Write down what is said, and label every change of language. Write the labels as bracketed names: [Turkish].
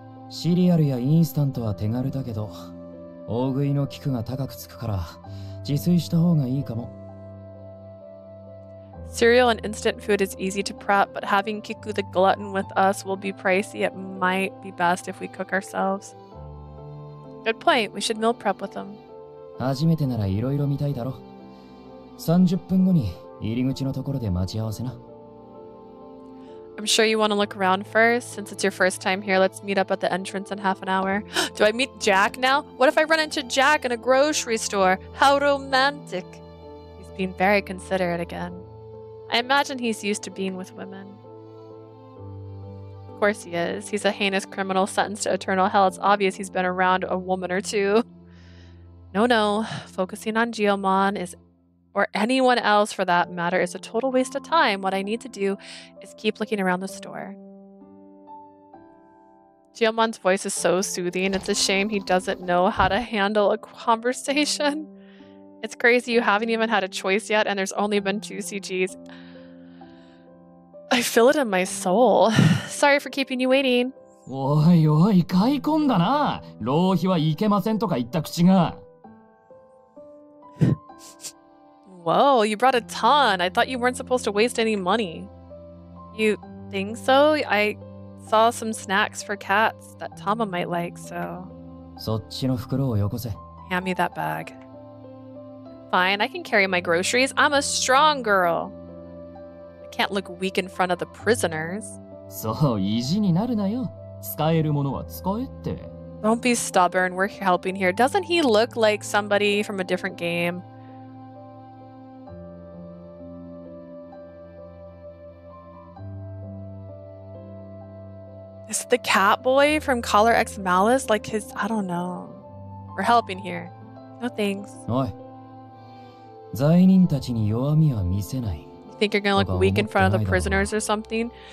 [Japanese] シリアルやインスタントは手軽だけど、大食いの効くが高くつくから、自炊した方がいいかも。 [English] Cereal and instant food is easy to prep, but having Kiku the glutton with us will be pricey. It might be best if we cook ourselves. Good point. We should meal prep with him. [Japanese] 初めてならいろいろ見たいだろ。30分後に入り口のところで待ち合わせな。 [English] I'm sure you want to look around first. Since it's your first time here, let's meet up at the entrance in half an hour. Do I meet Jack now? What if I run into Jack in a grocery store? How romantic. He's being very considerate again. I imagine he's used to being with women. Of course he is. He's a heinous criminal sentenced to eternal hell. It's obvious he's been around a woman or two. No, no. Focusing on Geomon is, or anyone else for that matter, is a total waste of time. What I need to do is keep looking around the store. Geomon's voice is so soothing. It's a shame he doesn't know how to handle a conversation. It's crazy you haven't even had a choice yet and there's only been two CGs. I feel it in my soul. Sorry for keeping you waiting. [Japanese] おいおい、買い込んだな。浪費はいけませんとか言った口が。 [English] Whoa, you brought a ton. I thought you weren't supposed to waste any money. You think so? I saw some snacks for cats that Tama might like, so... [Japanese] そっちの袋をよこせ。 [English] Hand me that bag. Fine, I can carry my groceries. I'm a strong girl. Can't look weak in front of the prisoners. [Japanese] そう、意地になるなよ。使えるものは使えって。 [English] Don't be stubborn. We're helping here. Doesn't he look like somebody from a different game? Is the cat boy from Collar X Malice like his? I don't know. We're helping here. No thanks. [Japanese] おい。罪人たちに弱みは見せない。 [English] Think you're gonna look weak in front of the prisoners or something?